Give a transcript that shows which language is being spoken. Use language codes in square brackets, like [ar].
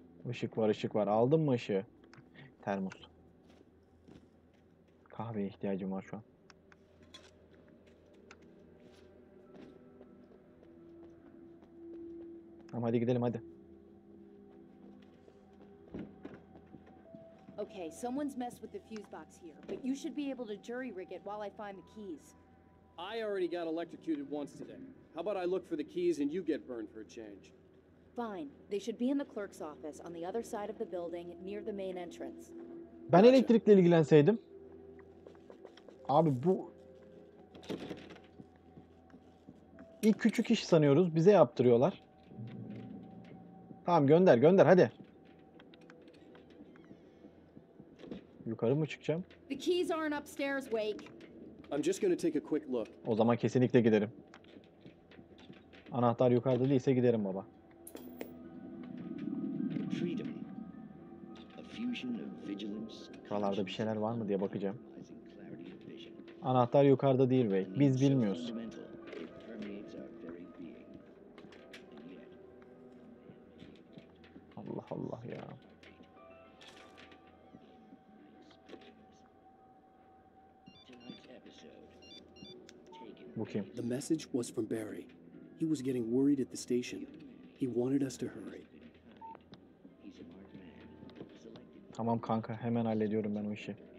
[tr] Işık var. Aldın mı ışığı? Termos. Kahveye ihtiyacım var şu an. Tamam hadi gidelim hadi. [en] Okay, someone's messed with the fuse box here, but you should be able to jury rig it while I find the keys. I already got electrocuted once today. How about I look for the keys and you get burned for a change? Fine. They should be in the clerk's office on the other side of the building near the main entrance. [tr] Ben elektrikle ilgilenseydim. Abi bu ilk küçük iş sanıyoruz. Bize yaptırıyorlar. Tamam gönder hadi. Yukarı mı çıkacağım? [en] The keys aren't upstairs, Wake. I'm just gonna take a quick look. [tr] O zaman kesinlikle giderim. Anahtar yukarıda değilse giderim baba. [en] Freedom. A fusion of vigilance. [tr] Buralarda bir şeyler var mı diye bakacağım. Anahtar yukarıda değil Wake. Biz bilmiyoruz. Allah Allah ya. [en] The message was from Barry. He was getting worried at the station. He wanted us to hurry. [tr] Tamam kanka, hemen hallediyorum ben o işi.